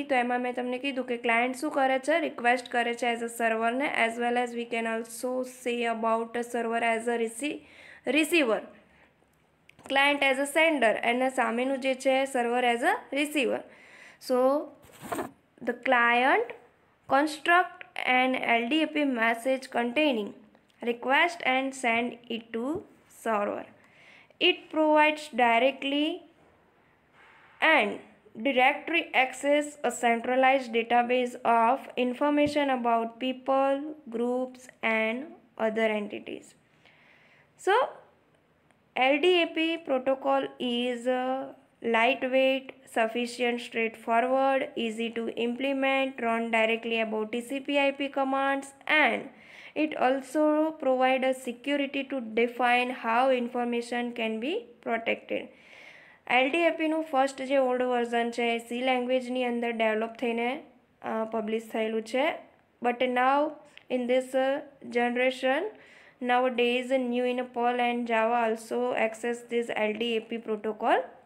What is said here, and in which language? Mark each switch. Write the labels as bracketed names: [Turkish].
[Gujarati] તો એમાં મેં તમને કીધું કે ક્લાયન્ટ શું કરે છે, રિક્વેસ્ટ કરે છે as a સર્વરને, [English] as well as we can also say about a server as a receiver, client as a sender [Gujarati] અને સામેનું જે છે server as a receiver. [English] So the client construct and LDAP message containing request and send it to server. It provides directly and directory access a centralized database of information about people, groups and other entities. So LDAP protocol is a lightweight, sufficient, straightforward, easy to implement, run directly above TCP/IP commands, and it also provides a security to define how information can be protected. [Gujarati] LDAP નું first જે old version છે A C લેંગ્વેજની અંદર develop થઈને publish થયેલું છે, [English] But now in this generation nowadays new in Perl and Java also access this LDAP protocol.